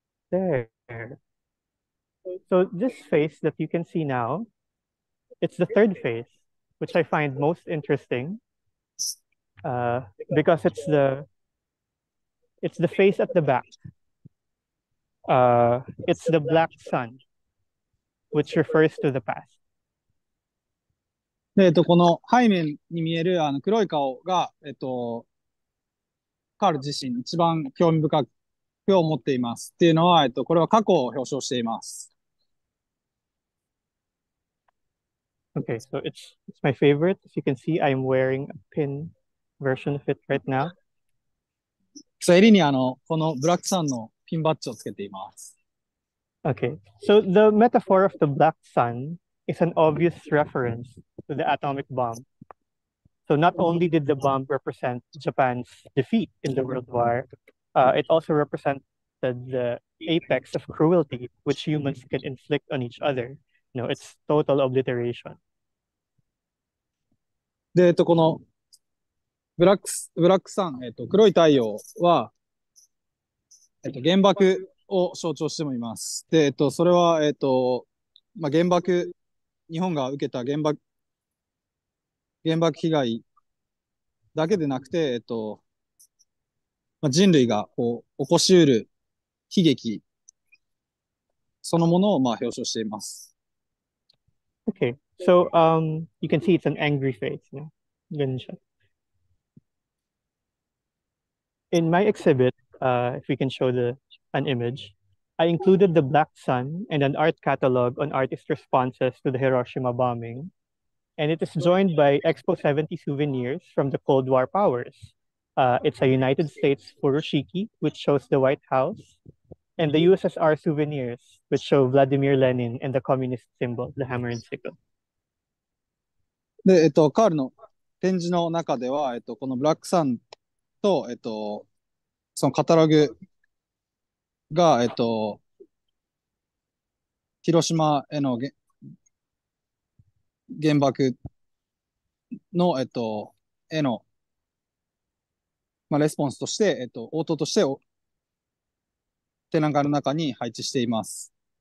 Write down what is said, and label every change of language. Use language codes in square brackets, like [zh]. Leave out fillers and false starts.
[en] There. So this face that you can see now, it's the third face, which I find most interesting. Because it's the face at the back. It's the black sun, which refers to the past. [ja] この背面に見えるあの黒い顔が、カール自身一番興味深く思っていますっていうのは、これは過去を表彰しています。 [en] Okay, so it's my favorite. As you can see, I'm wearing a pin version of it right now. [ja] So, 襟にあの、このブラックサンのピンバッジをつけています。 [en] Okay, so the metaphor of the black sun is an obvious reference to the atomic bomb. So, not only did the bomb represent Japan's defeat in the World War, it also represented the apex of cruelty which humans can inflict on each other. You know, it's total obliteration. [ja] で、このブラックサン、黒い太陽は、原爆を象徴してもいます。で、それは、まあ、原爆、日本が受けた原爆被害だけでなくて、まあ、人類がこう起こしうる悲劇そのものをまあ表彰しています。 [en] Okay, so you can see it's an angry face, no? Ninja. In my exhibit, if we can show an image, I included the black sun and an art catalog on artist responses to the Hiroshima bombing, and it is joined by Expo 70 souvenirs from the Cold War powers. It's a United States furoshiki, which shows the White House, and the USSR souvenirs, which show Vladimir Lenin and the communist symbol, the hammer and sickle. [ja] で、カールの展示の中では、このブラックサンと、そのカタログが、広島への原爆の、への、まあ、レスポンスとして、応答として展覧会の中に配置しています。